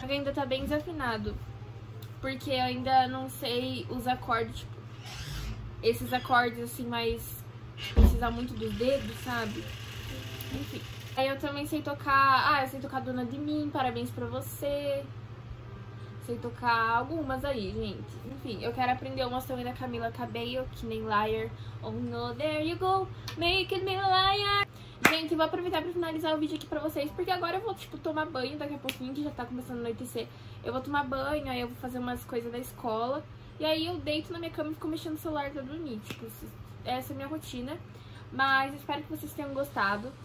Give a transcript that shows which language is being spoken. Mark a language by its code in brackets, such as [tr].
[pt] Alguém ainda tá bem desafinado, porque eu ainda não sei os acordes, tipo, esses acordes assim, mais precisar muito do dedo, sabe? Enfim. Aí eu também sei tocar, eu sei tocar Dona de Mim, Parabéns Pra Você. Sei tocar algumas aí, gente. Enfim, eu quero aprender umas também da Camila Cabello, que nem Liar. [en] Oh no, there you go, making me liar. [pt] Gente, vou aproveitar pra finalizar o vídeo aqui pra vocês, porque agora eu vou, tipo, tomar banho daqui a pouquinho, que já tá começando a anoitecer. Eu vou tomar banho, aí eu vou fazer umas coisas da escola. E aí eu deito na minha cama e fico mexendo no celular pra dormir. Tipo, essa é a minha rotina. Mas espero que vocês tenham gostado.